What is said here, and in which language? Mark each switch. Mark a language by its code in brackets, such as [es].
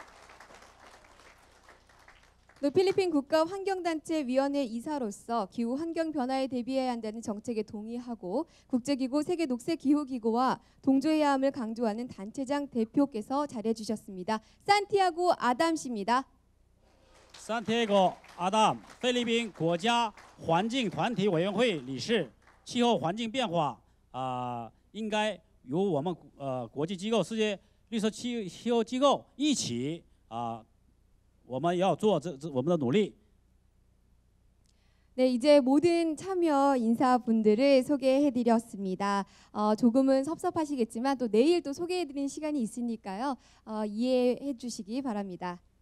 [zh] 这个绿色放在中国菲律宾的国策当中，现在我们的这个军人博士站起来了，欢迎他，欢迎他的到来。필리핀 [ko] 국가 환경단체 위원회 이사로서 기후 환경 변화에 대비해야 한다는 정책에 동의하고 국제기구 세계 녹색 기후 기구와 동조해야 함을 강조하는 단체장 대표께서 자리해 주셨습니다. 산티아고 아담씨입니다. 산티에고 아담, 필리핀 국가 환경 단체 위원회 리시, 기후 환경 변화, [zh] 应该由我们国际机构、世界绿色气候机构一起，我们要做这我们的努力。 [ko] 네, 이제 모든 참여 인사분들을 소개해드렸습니다. 조금은 섭섭하시겠지만 또 내일 또 소개해드리는 시간이 있으니까요, 이해해주시기 바랍니다.